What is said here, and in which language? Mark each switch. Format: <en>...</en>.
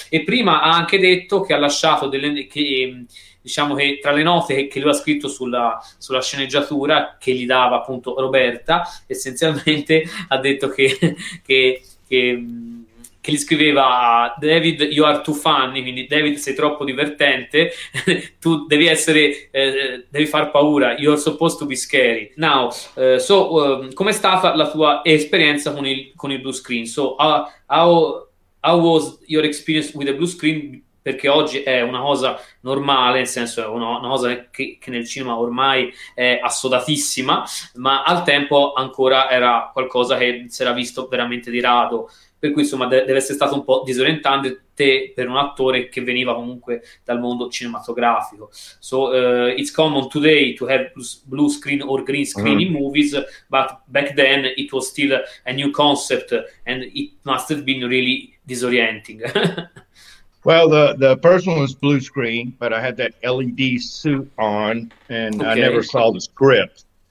<it>E prima ha anche detto che ha lasciato diciamo che tra le note che lui ha scritto sulla sceneggiatura che gli dava appunto Roberta, essenzialmente ha detto che gli scriveva:</it> <en>David, you are too funny,</en> <it>quindi David sei troppo divertente, tu devi essere devi far paura,</it> <en>you are supposed to be scary. Now, so</en> <it>com'è stata la tua esperienza con il blue screen?</it> <en>So how was your experience with the blue screen?</en> <it>Perché oggi è una cosa normale, nel senso è una cosa che nel cinema ormai è assodatissima, ma al tempo ancora era qualcosa che si era visto veramente di rado, per cui insomma deve essere stato un po' disorientante te, per un attore che veniva comunque dal mondo cinematografico.</it> <en>So it's common today to have blue screen or green screen in movies, but back then it was still a new concept and it must have been really disorienting. Well, the first one was blue screen, but I had that LED suit on, and okay. I never saw the script.</en>